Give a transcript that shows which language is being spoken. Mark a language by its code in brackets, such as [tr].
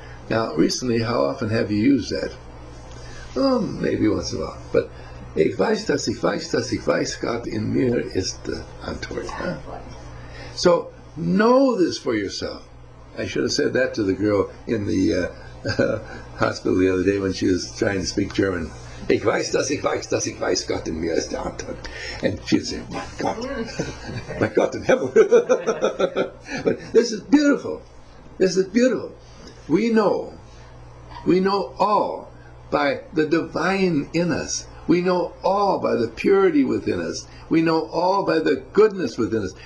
[en] Now, recently, how often have you used that? Oh, maybe once in a while. But [de] ich weiß, dass ich weiß, dass ich weiß, Gott in mir ist die Antwort. Huh? [en] So, know this for yourself. I should have said that to the girl in the hospital the other day when she was trying to speak German. [de] Ich weiß, dass ich weiß, dass ich weiß, Gott in mir ist die Antwort. [en] And she'd say, my Gott in heaven. But this is beautiful. This is beautiful. We know all by the divine in us. We know all by the purity within us. We know all by the goodness within us.